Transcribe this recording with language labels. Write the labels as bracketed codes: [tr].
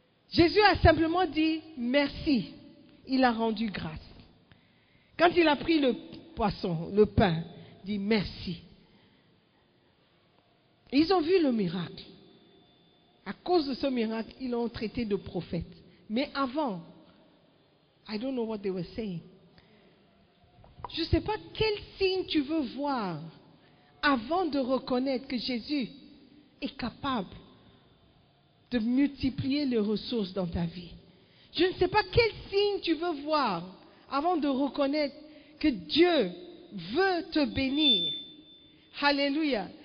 [fr] Jésus a simplement dit merci. Il a rendu grâce. Quand il a pris le poisson, le pain, il dit merci. Ils ont vu le miracle. À cause de ce miracle, ils l'ont traité de prophète. Mais avant, [en] I don't know what they were saying. [fr] Je ne sais pas quel signe tu veux voir avant de reconnaître que Jésus est capable de multiplier les ressources dans ta vie. Je ne sais pas quel signe tu veux voir avant de reconnaître que Dieu veut te bénir. Alléluia.